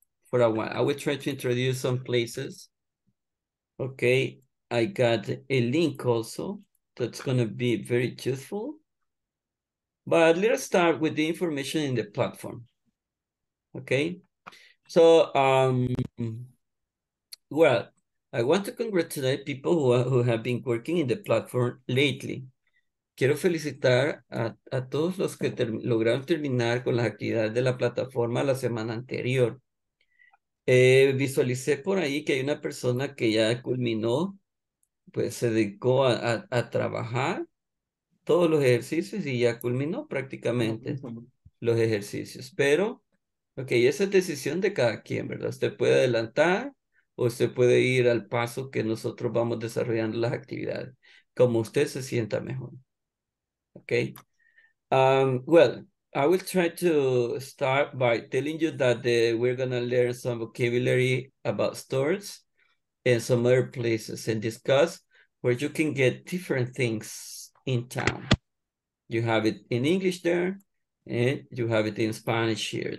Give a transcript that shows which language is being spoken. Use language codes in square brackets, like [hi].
[en] For a while, I will try to introduce some places. Okay, I got a link also that's gonna be very useful. But let's start with the information in the platform. Okay, so well, I want to congratulate people who have been working in the platform lately. [es] Quiero felicitar a todos los que lograron terminar con las actividades de la plataforma la semana anterior. Visualicé por ahí que hay una persona que ya culminó, pues se dedicó a trabajar todos los ejercicios y ya culminó prácticamente los ejercicios. Pero, ok, esa es decisión de cada quien, ¿verdad? Usted puede adelantar o usted puede ir al paso que nosotros vamos desarrollando las actividades, como usted se sienta mejor. [en] Ok. Well, I will try to start by telling you that we're gonna learn some vocabulary about stores and some other places and discuss where you can get different things in town. You have it in English there and you have it in Spanish here.